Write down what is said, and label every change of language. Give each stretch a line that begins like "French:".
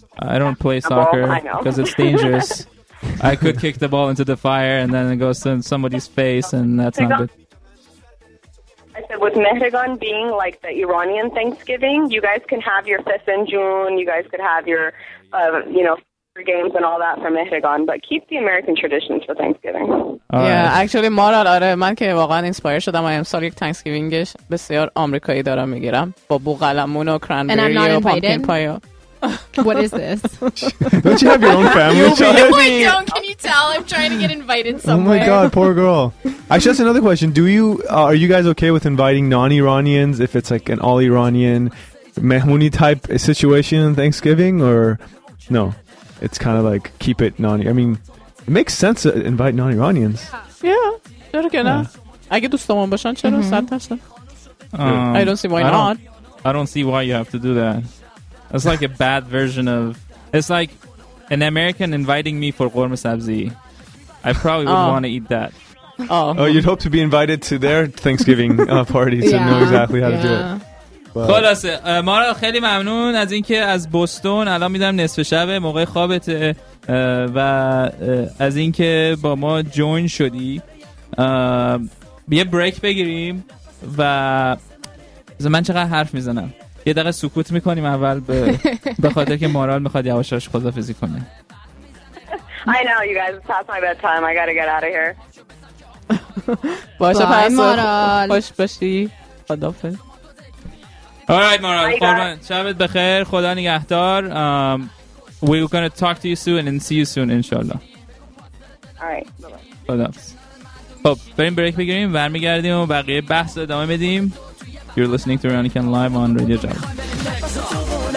English: I don't play soccer because it's dangerous. I could kick the ball into the fire and then it goes in somebody's face and that's not good. I said with Mehrigan being like the Iranian Thanksgiving, you guys can have your fesen jun, you guys could have your games and all that for Mehrigan, but keep the American traditions for Thanksgiving. Actually, Maral,
Persian: آره من که واقعا اینسپایر شدم و امسال یک تانکسگیوینگش بسیار آمریکایی دارم میگیرم با بوغلمون و کرنبری و پامکین پای.
English: What is this? Don't you have your own family? No, I don't. Can you tell? I'm trying to get invited somewhere. Oh my god, poor girl. Actually, that's another question. Are you guys okay with inviting non-Iranians if it's like an all-Iranian Mehmuni type situation on Thanksgiving? Or no, it's kind of like keep it non. I mean, it makes sense to invite non-Iranians. Yeah. I don't see why not. I don't see why you have to do that. It's like a bad version of... It's like an American inviting me for korma sabzi. I probably wouldn't want to eat that. Oh, you'd hope to be invited to their Thanksgiving party to know exactly how to do it.
Persian: خلاصه مارا خیلی ممنون از اینکه از بوستون الان میدونم نصف شبه موقع خوابته و از اینکه با ما جوین شدی. یه بریک بگیریم و من چقدر حرف میزنم. یه دقیقه سکوت میکنیم اول به خاطر که مورال میخواد یواش یواش خدافظی کنه.
English: I know you guys, it's past my bedtime. I gotta get out of here.
Persian: باشه پس مورال. خوش باشی. خدافظ. Alright, مورال. قربان. شبت بخیر. خدا نگهدار.
English: We're gonna talk to you soon and see you soon, inshallah. Alright.
Persian: خدافظ. خب بریم بریک بگیریم، برمیگردیم و بقیه بحث رو ادامه بدیم.
English: You're listening to Ronican live on Radio Java.